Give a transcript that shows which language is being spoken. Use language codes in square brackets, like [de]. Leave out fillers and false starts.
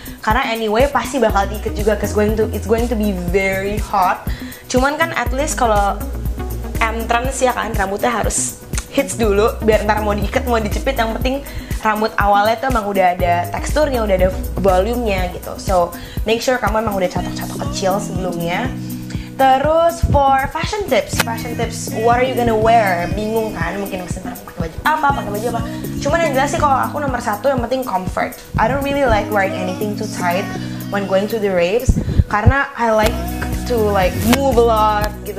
[id] Karena anyway pasti bakal diikat juga, [en] cause it's going to be very hot. [id] Cuman kan at least kalau entrance ya kan rambutnya harus hits dulu biar ntar mau diikat mau dijepit, yang penting rambut awalnya tuh emang udah ada teksturnya, udah ada volumenya gitu. [en] So make sure [id] kamu emang udah catok-catok kecil sebelumnya. Terus [en] for fashion tips, what are you gonna wear? [id] Bingung kan? Mungkin sebentar pakai baju apa? Cuman yang jelas sih kalau aku nomor satu yang penting comfort. [en] I don't really like wearing anything too tight when going to the raves [id] karena [en] I like to like move a lot [id] gitu.